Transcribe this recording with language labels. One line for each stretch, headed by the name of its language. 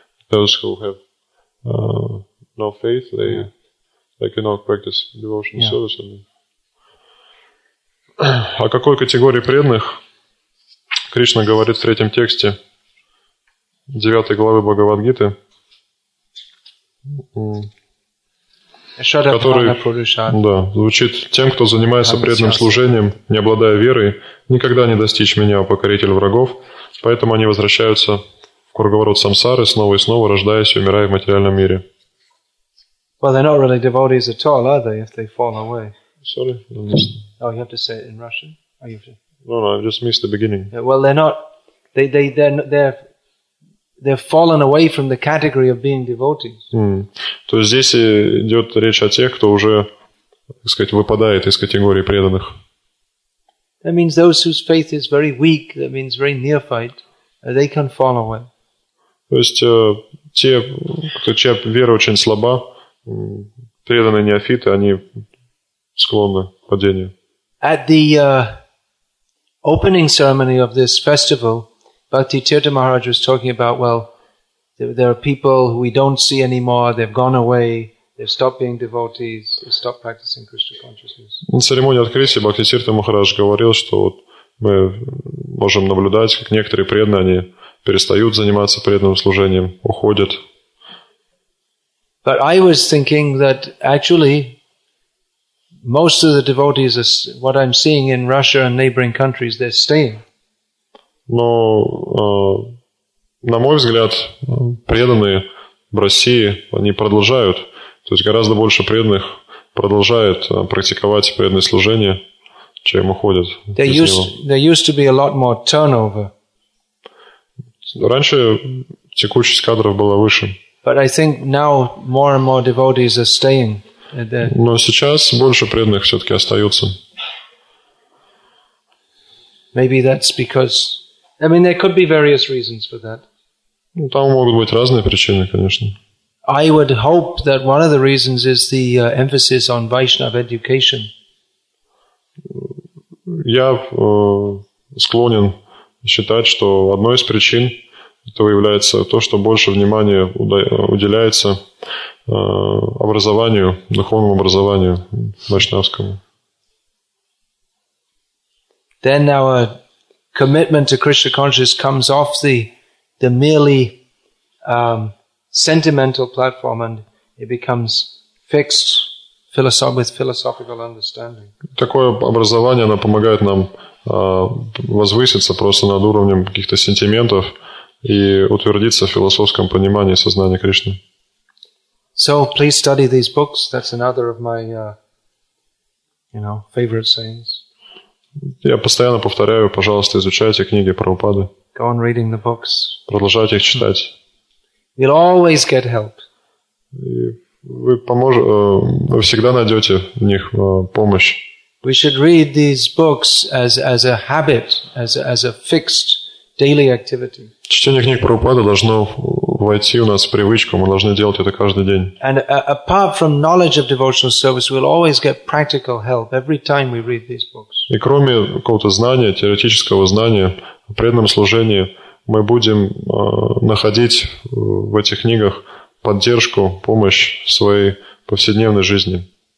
English: Those who have no faith, they cannot practice devotional service.
Russian: О какой категории преданных Кришна говорит в 3-м тексте 9-й главы Бхагавад Гиты? Который, да, звучит: тем, кто занимается преданным служением, не обладая верой, никогда не достичь меня, покоритель врагов, поэтому они возвращаются в круговорот самсары, снова и снова рождаясь и умирая в материальном мире.
English: Well, they're not really devotees at all, are they, if they fall away? Sorry, you have to say it in Russian? Oh, you have to... No, I just missed the beginning. Well, they're not, they've fallen away from the category of being devotees.
Russian: То есть здесь идет речь о тех, кто уже, так сказать, выпадает из категории преданных.
English: That means those whose faith is very weak, that means very neophyte, they can fall away.
Russian: То есть те, кто, чья вера очень слаба, преданные неофиты, они склонны к падению.
English: At the opening ceremony of this festival, Bhakti Tirtha Maharaj was talking about, well, there are people who we don't see anymore, they've gone away, they've stopped being devotees, they've stopped practicing Krishna consciousness.
Russian: На церемонии открытия Бхакти Тирта Махарадж говорил, что вот мы можем наблюдать, как некоторые преданные, они перестают заниматься преданным служением, уходят.
English: But I was thinking that actually most of the devotees, what I'm seeing in Russia and neighboring countries, they're staying.
Russian: Но, на мой взгляд, преданные в России, они продолжают. То есть гораздо больше преданных продолжают практиковать преданное служение, чем уходят из него.
English: There used to be a lot more turnover.
Russian: Раньше текучесть кадров была выше.
English: But I think now more and more devotees are staying.
Russian: Но сейчас больше преданных все-таки остаются.
English: Maybe that's because... I mean, there could be various reasons for that.
Russian: Ну, там могут быть разные причины, конечно.
English: I would hope that one of the reasons is the emphasis on Vaishnava education.
Russian: Я склонен считать, что одной из причин этого является то, что больше внимания уделяется образованию, духовному образованию вайшнавскому.
English: Then our commitment to Krishna consciousness comes off the merely sentimental platform, and it becomes fixed with philosophical understanding.
Russian: Такое образование, оно помогает нам возвыситься просто над уровнем каких-то сентиментов и утвердиться в философском понимании сознания Кришны.
English: So please study these books. That's another of my, favorite sayings.
Russian: Я постоянно повторяю, пожалуйста, изучайте книги Прабхупады.
English: Go on reading the books.
Russian: Продолжайте их читать.
English: You'll always get help.
Russian: Вы всегда найдете в них помощь.
English: We should read these books as a habit, as a fixed daily activity.
Russian: Чтение книг Прабхупады должно войти у нас в привычку. Мы должны делать это каждый день.
English: And apart from knowledge of devotional service, we'll always get practical help every time we read these books.
Russian: И кроме какого-то знания, теоретического знания о преданном служении, мы будем находить в этих книгах поддержку, помощь в своей повседневной жизни.